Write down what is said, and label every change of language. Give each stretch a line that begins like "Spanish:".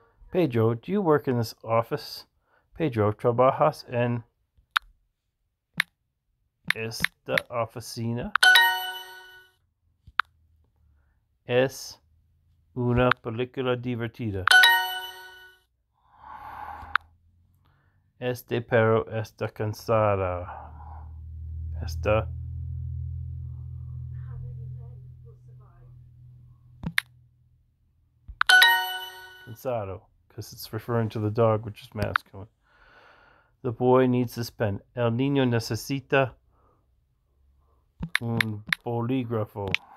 English: Pedro, do you work in this office?
Spanish: Pedro, ¿trabajas en esta oficina? Es una película divertida. Este perro está cansado. Está cansado,
English: because it's referring to the dog, which is masculine. The boy needs this pen.
Spanish: El niño necesita un bolígrafo.